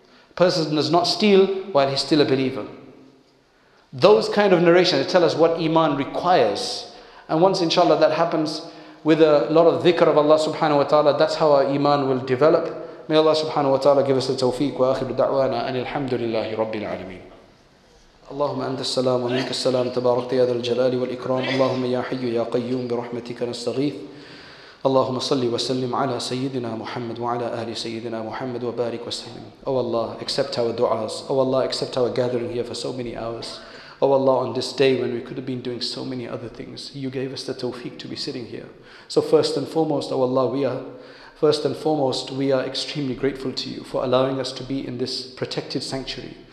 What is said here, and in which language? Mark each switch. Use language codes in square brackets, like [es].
[en] A person does not steal while he's still a believer. Those kind of narrations tell us what iman requires. And once inshallah that happens with a lot of dhikr of Allah subhanahu wa ta'ala, that's how our iman will develop. May Allah subhanahu wa ta'ala give us the tawfiq wa akhiru da'wana and alhamdulillahi rabbil alameen. [ar] اللهم أنت السلام ومنك السلام تبارك يا ذا الجلال والإكرام اللهم يا حي يا قيوم برحمتك نستغيث اللهم صل وسلم على سيدنا محمد وعلى آل سيدنا محمد وبارك وسلم. [en] Oh Allah, accept our du'as. Oh Allah, accept our gathering here for so many hours. Oh Allah, on this day when we could have been doing so many other things, you gave us the tawfiq to be sitting here. So first and foremost, oh Allah, we are extremely grateful to you for allowing us to be in this protected sanctuary.